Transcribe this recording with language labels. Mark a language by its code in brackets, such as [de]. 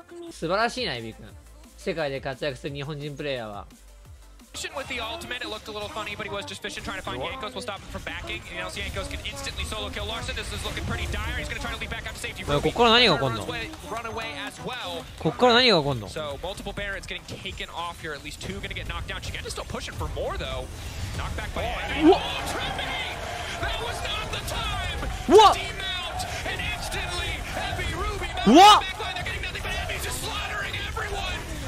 [ja] 素晴らしいな、エビ君。世界で活躍する日本人プレイヤーは。 [en] With the ultimate, it looked a little funny, but he was just fishing, trying to find Yankos. We'll stop him from backing, and else Yankos can instantly solo kill Larson. This is looking pretty dire. He's gonna try to leap back up to safety. Now, [ja] ここから何が起こるの？ [en] Run away as well. [ja] ここから何が起こるの？ [en] So multiple Barretts getting taken off here. At least two gonna get knocked down. Chiquette is still pushing for more though. Knocked back by Andy. Oh, Trippy! That was not the time. What? Team out and instantly heavy Ruby. What? They're getting nothing but Andy just slaughtering everyone.